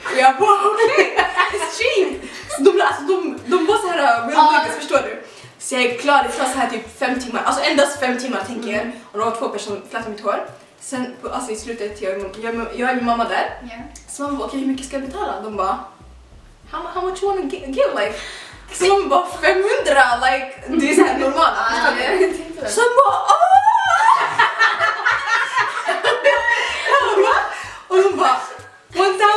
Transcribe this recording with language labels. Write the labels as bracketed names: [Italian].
[Swedish] Och jag bara, okej, it's cheap. De bara såhär, real niggas, förstår du? Så jag är klar, det tar så här typ 5 timmar, alltså endast 5 timmar tänker jag. Och då var 2 personer flätade mitt hår. Sen, alltså i slutet, jag är min mamma där. [English] Yeah. [Swedish] Så mamma bara, okej, hur mycket ska jag betala? [English] De bara, how much you wanna get like? [Swedish] Så mamma bara, 500, like, det är såhär normalt. Så mamma bara, aaaaaah! Och de bara, 1000!